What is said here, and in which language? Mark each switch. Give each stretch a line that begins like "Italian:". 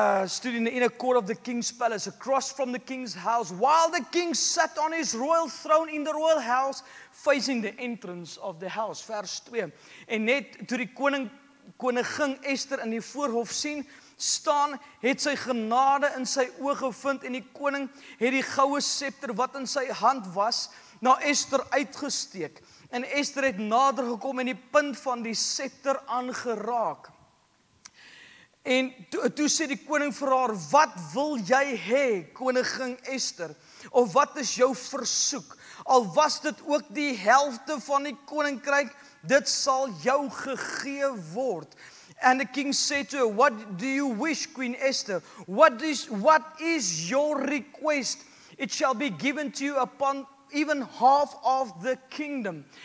English: Stood in the inner court of the king's palace, across from the king's house, while the king sat on his royal throne in the royal house, facing the entrance of the house.
Afrikaans: Vers 2. En net toe die koningin Esther in die voorhof sien staan, het sy genade in sy oog gevind, en die koning het die goue scepter wat in sy hand was, na Esther uitgesteek. En Esther het nader gekom en die punt van die scepter aangeraak. En toe sê die koning vir haar, wat wil jy hê, koningin Esther? Of wat is jou versoek? Al was dit ook die helfte van die koninkryk, dit sal jou gegee word.
English: And the king said to her, "What do you wish, Queen Esther? What is your request? It shall be given to you upon even half of the kingdom."